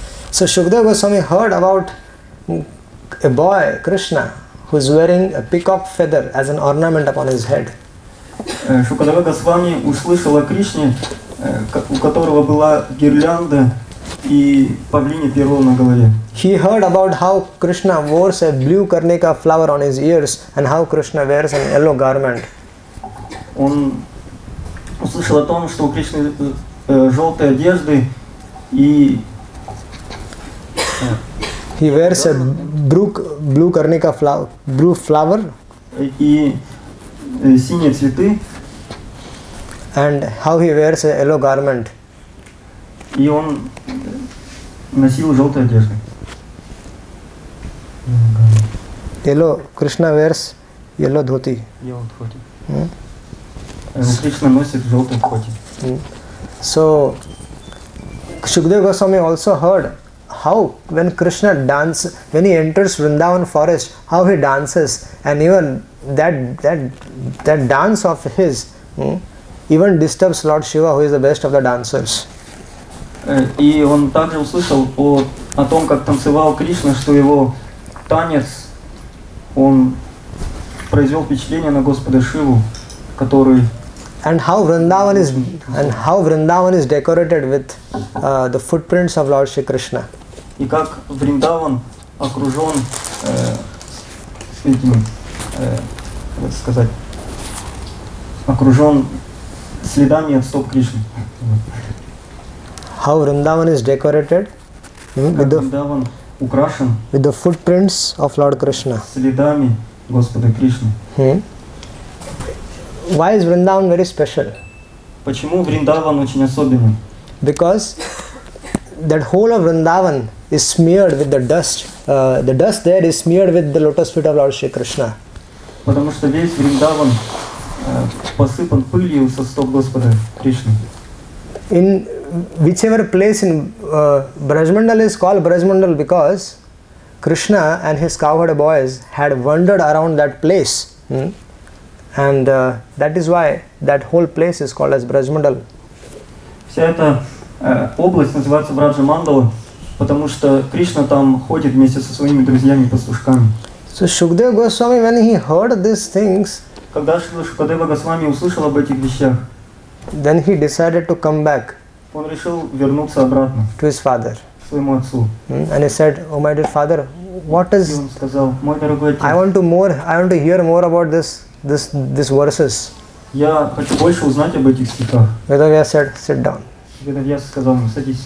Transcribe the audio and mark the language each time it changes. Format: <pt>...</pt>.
<en>So Shukadeva Goswami heard about a boy, Krishna, who is wearing a peacock feather as an ornament upon his head.</en> <ru>Shukadeva Goswami услышал о Кришне, у которого была гирлянда и павлинья перо на голове.</ru> <en>He heard about how Krishna wears a blue karnika flower on his ears and how Krishna wears an yellow garment.</en> <ru>Он услышал о том, что у Кришны желтые одежды и</ru> <en>he wears a blue karnika flower, blue flower.</en> <ru>И синие цветы.</ru> <en>And how he wears a yellow garment.</en> <ru>И он носил желтую одежду.</ru> <en>Yellow. Krishna wears yellow dhoti. Yellow dhoti.</en> <ru>Krishna носит желтую dhoti.</ru> <en>So Shukadeva Goswami also heard how when Krishna dances, when he enters Vrindavan forest, how he dances, and even that dance of his. Even disturbs Lord Shiva, who is the best of the dancers.</en> <ru>И он также услышал о том, как танцевал Кришна, что его танец, он произвел впечатление на Господа Шиву, который...</ru> <en>And how Vrindavan is decorated with the footprints of Lord Shri Krishna.</en> <ru>И как Вриндаван окружен этим, как сказать, окружен следами от стоп Кришны.</ru> <en>How Vrindavan is decorated with the footprints of Lord Krishna.</en> <ru>Следами Господа Кришны.</ru> <en>Why is Vrindavan very special?</en> <ru>Почему Вриндаван очень особенный?</ru> <en>Because that whole of Vrindavan is smeared with the dust. The dust there is smeared with the lotus feet of Lord Shri Krishna.</en> <ru>Потому что весь Вриндаван посыпан пылью со стоп Господа Кришны.</ru> <en>In whichever place in Brajmandal is called Brajmandal because Krishna and his cowherd boys had wandered around that place. And that is why that whole place is called as Brajmandal.</en> <ru>Вся эта область называется Браджамандала, потому что Кришна там ходит вместе со своими друзьями пастушками.</ru> <en>So Shukadeva Goswami, when he heard these things,</en> <ru>когда Шукадева Госвами услышал об этих вещах,</ru> <en>then he decided to come back.</en> <ru>Он решил вернуться обратно.</ru> <en>To his father.</en> <ru>Своему отцу.</ru> <en>And he said, "Oh my dear father, what is?"</en> <ru>И он сказал, "Мой дорогой отец."</ru> <en>I want to hear more about this verses.</en> <ru>Я хочу больше узнать об этих стихах.</ru> <en>Ведавья said, "Sit down."</en> <ru>Ведавья сказал ему, "Садись</ru>